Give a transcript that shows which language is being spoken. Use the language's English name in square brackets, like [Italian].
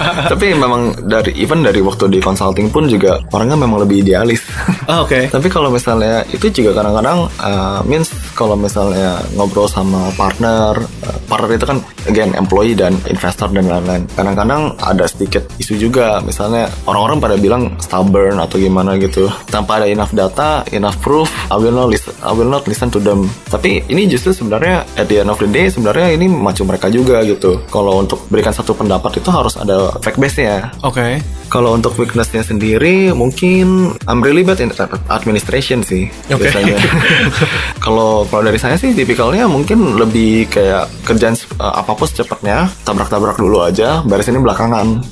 [Indonesian] Tapi memang dari even dari waktu di consulting pun juga orangnya memang lebih idealis. Tapi kalau misalnya itu juga kadang-kadang means kalau misalnya ngobrol sama partner, partner itu kan again, employee dan investor dan lain-lain. Kadang-kadang ada sedikit isu juga, misalnya orang-orang pada bilang stubborn atau gimana gitu. Tanpa ada [English] enough data, enough proof, I will not listen to them. [Indonesian] Tapi ini justru sebenarnya [English] at the end of the day, [Indonesian] sebenarnya ini macam mereka juga gitu. Kalau untuk berikan satu pendapat itu harus ada fact base-nya. Oke. Okay. Kalau untuk weakness-nya sendiri, mungkin [English] I'm really bad in administration [Indonesian] sih. Oke. Okay. kalau dari saya sih, tipikalnya mungkin lebih kayak kerjaan apapun secepatnya, tabrak-tabrak dulu aja, beresin belakangan.